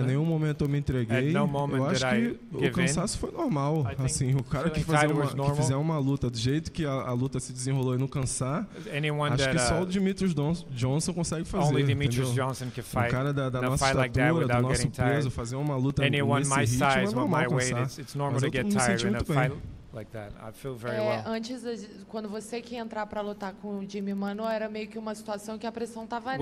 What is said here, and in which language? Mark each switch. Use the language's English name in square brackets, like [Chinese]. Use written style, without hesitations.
[Portuguese] Em nenhum momento eu me entreguei. Eu acho que o cansaço foi normal. Assim, o cara que fizer uma luta do jeito que a luta se desenrolou e não cansar, acho que só o Demetrius Johnson consegue fazer. [English] Only Demetrius Johnson can fight. [Portuguese] O cara da nossa estatura, do nosso peso, fazer uma luta nesse ritmo é normal cansar. [English] It's normal to get tired in a fight like that. I feel very well. [Portuguese] Antes, quando você quer entrar para lutar com o Jimmy Manoa, era meio que uma situação que a pressão estava nele,